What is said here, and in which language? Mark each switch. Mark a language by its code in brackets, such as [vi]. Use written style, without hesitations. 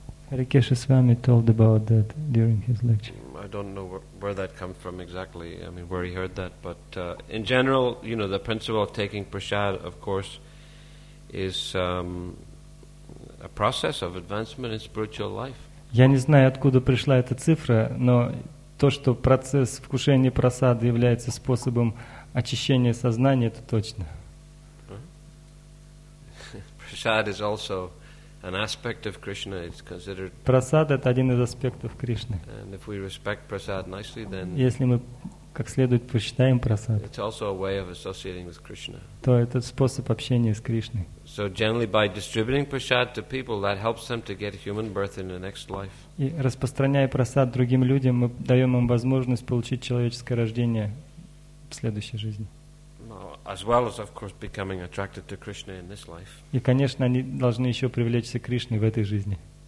[en] Hare Krishna Swami told about that during his lecture. I don't know where that comes from exactly. I mean, where he heard that, but in general, you know, the principle of taking prasad, of course, is a process of advancement in spiritual life. [ru] Я не знаю, откуда пришла эта цифра, но то, что процесс вкушения просады является способом очищения сознания, это точно. [en] Prasad is also an aspect of Krishna. It's considered. [ru] Prasad — это один из аспектов Кришны. [en] And if we respect prasad nicely, then. [ru] Если мы как следует почитаем просад. [en] It's also a way of associating with Krishna. [ru] То это способ общения с Кришной. [en] So generally, by distributing prasad to people, that helps them to get human birth in the next life. [ru] И распространяя просад другим людям, мы даем им возможность получить человеческое рождение в следующей жизни. [en] As well as, of course, becoming attracted to Krishna in this life. [ru] И, конечно, они должны еще привлечься к Кришне в этой жизни.